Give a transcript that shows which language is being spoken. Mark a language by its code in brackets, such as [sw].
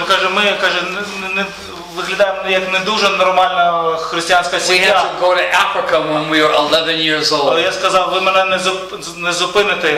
[uk] Ми виглядаємо як не дуже нормальна християнська сім'я. [en] We had to go to Africa when we were 11 years old. [uk] Але я сказав, ви мене не зупините.